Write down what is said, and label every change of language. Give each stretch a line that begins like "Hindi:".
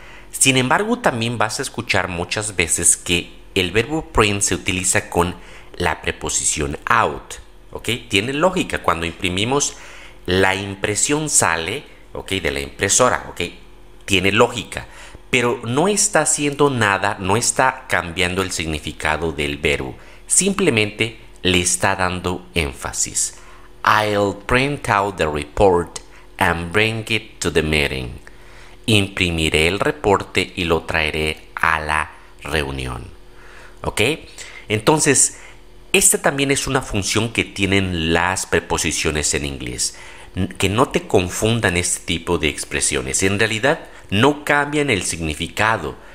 Spanish: Sin embargo, también vas a escuchar muchas veces que el verbo print se utiliza con la preposición out. ¿Ok? Tiene lógica. Cuando imprimimos, la impresión sale, ¿ok?, de la impresora. ¿Ok? Tiene lógica. Pero no está haciendo nada, no está cambiando el significado del verbo. Simplemente le está dando énfasis.
English: I'll print out the report and bring it to the meeting.
Spanish: Imprimiré el reporte y lo traeré a la reunión. ¿Ok? Entonces, esta también es una función que tienen las preposiciones en inglés. Que no te confundan este tipo de expresiones. En realidad, no cambian el significado.